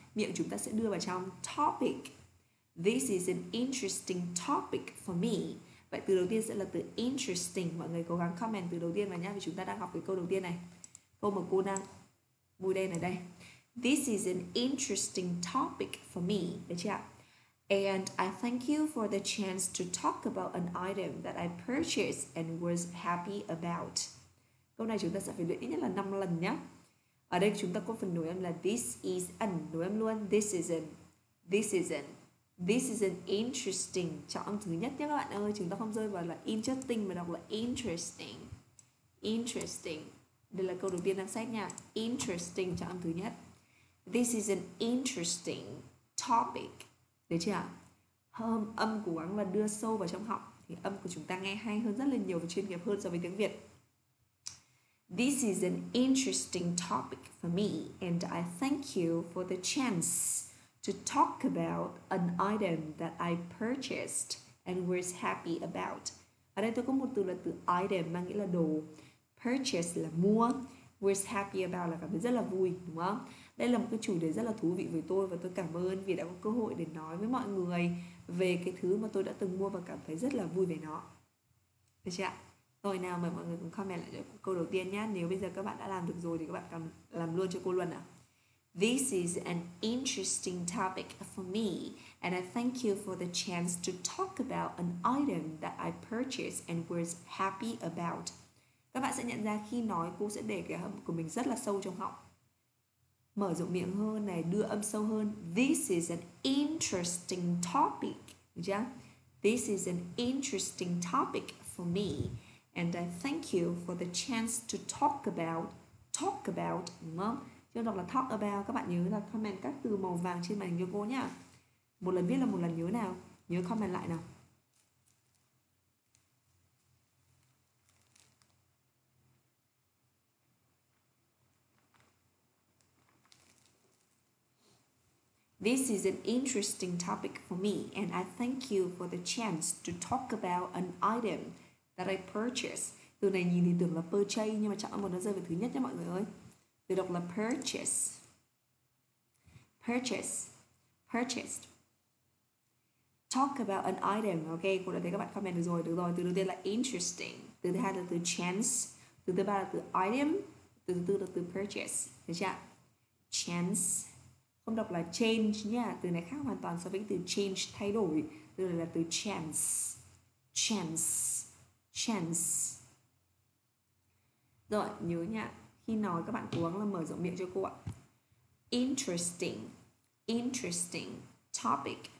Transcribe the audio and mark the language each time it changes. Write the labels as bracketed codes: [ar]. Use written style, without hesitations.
[vi] Miệng chúng ta sẽ đưa vào trong topic. [en] This is an interesting topic for me. [vi] Vậy từ đầu tiên sẽ là từ interesting. Mọi người cố gắng comment từ đầu tiên vào nhé. Vì chúng ta đang học cái câu đầu tiên này. Câu mà cô đang bùi đen ở đây. [en] This is an interesting topic for me, [vi] được chưa? [en] And I thank you for the chance to talk about an item that I purchased and was happy about. [vi] Câu này chúng ta sẽ phải luyện ít nhất là 5 lần nhé. Ở đây chúng ta có phần nối âm là [en] this is an, nối âm luôn, this is an, this is an, this is an interesting. [vi] Chọn âm thứ nhất nhé các bạn ơi, chúng ta không rơi vào là interesting mà đọc là interesting, interesting. Đây là câu đầu tiên đang xét nha, interesting, chọn âm thứ nhất. [en] This is an interesting topic. [vi] Được chưa? Hơm âm cố gắng và đưa sâu vào trong họng thì âm của chúng ta nghe hay hơn rất là nhiều và chuyên nghiệp hơn so với tiếng Việt. [en] This is an interesting topic for me and I thank you for the chance to talk about an item that I purchased and was happy about. [vi] Ở đây tôi có một từ là từ item mang nghĩa là đồ. Purchase là mua. [en] Was happy about [vi] là cảm thấy rất là vui, đúng không? Đây là một cái chủ đề rất là thú vị với tôi và tôi cảm ơn vì đã có cơ hội để nói với mọi người về cái thứ mà tôi đã từng mua và cảm thấy rất là vui về nó. Được chưa ạ? Rồi nào mời mọi người cùng comment lại câu đầu tiên nhé. Nếu bây giờ các bạn đã làm được rồi thì các bạn cần làm luôn cho cô luôn ạ. [en] This is an interesting topic for me and I thank you for the chance to talk about an item that I purchased and was happy about. [vi] Các bạn sẽ nhận ra khi nói cô sẽ để cái hầm của mình rất là sâu trong họng. Mở rộng miệng hơn này, đưa âm sâu hơn. [en] This is an interesting topic. [vi] Được chưa? [en] This is an interesting topic for me. And I thank you for the chance to talk about. Talk about, [vi] đúng không? Chứ đọc là talk about. Các bạn nhớ là comment các từ màu vàng trên màn hình cho cô nhá. Một lần viết là một lần nhớ nào. Nhớ comment lại nào. [en] This is an interesting topic for me and I thank you for the chance to talk about an item that I purchased. [vi] Từ này nhìn thì tưởng là purchase nhưng mà chọn một nó rơi vào thứ nhất nha mọi người ơi. Từ đọc là purchase. Purchase. Purchased. [en] Talk about an item. [vi] Ok, cô đã thấy các bạn comment được rồi. Được rồi, từ đầu tiên là interesting. Từ thứ hai là từ chance. [en] to think about the item, to do the purchase. [vi] Được chưa? Chance. Không đọc là change nha. Từ này khác hoàn toàn so với từ change, thay đổi. Từ này là từ chance. Chance. Chance. Rồi, nhớ nha. Khi nói các bạn cố gắng là mở rộng miệng cho cô ạ. [en] Interesting. Interesting topic.